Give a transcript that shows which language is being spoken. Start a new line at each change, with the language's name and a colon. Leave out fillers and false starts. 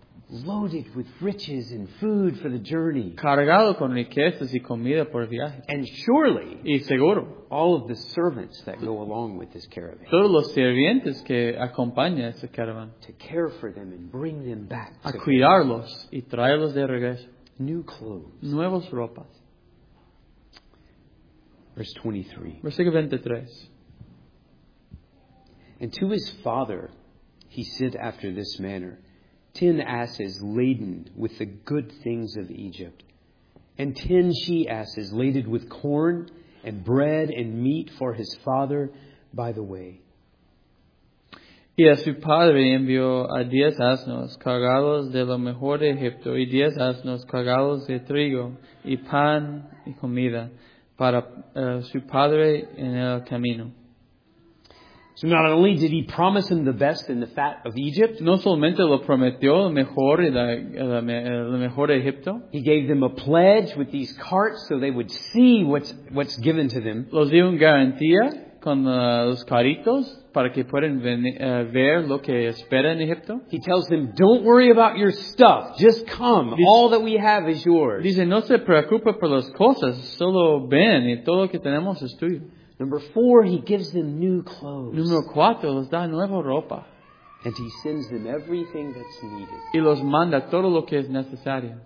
English: Loaded with riches and food for the journey.
Spanish: Cargado con riquezas y comida por el viaje.
English: And surely,
Spanish: y seguro,
English: all of the servants that go along with this caravan.
Spanish: Todos los sirvientes que acompañan esa caravana.
English: To care for them and bring them back.
Spanish: A cuidarlos y traerlos de regreso.
English: New clothes.
Spanish: Nuevas ropas.
English: Verse 23.
Spanish: Versículo 23.
English: And to his father, he said after this manner, 10 asses laden with the good things of Egypt, and 10 she-asses laden with corn and bread and meat for his father by the way.
Spanish: Y a su padre envió a 10 asnos cargados de lo mejor de Egipto y 10 asnos cargados de trigo y pan y comida para su padre en el camino.
English: So not only did he promise him the best and the fat of Egypt,
Spanish: no solamente lo prometió lo mejor y lo mejor de Egipto,
English: he gave them a pledge with these carts so they would see what's given to them.
Spanish: Los dio una garantía con los caritos para que puedan ver lo que espera en Egipto.
English: He tells them, don't worry about your stuff, just come, all that we have is yours.
Spanish: Dice, no se preocupe por las cosas, solo ven y todo lo que tenemos es tuyo.
English: Number 4, he gives them new clothes.
Spanish: Número 4, les da nueva ropa.
English: And he sends them everything that's needed.
Spanish: Y los manda todo lo que es necesario.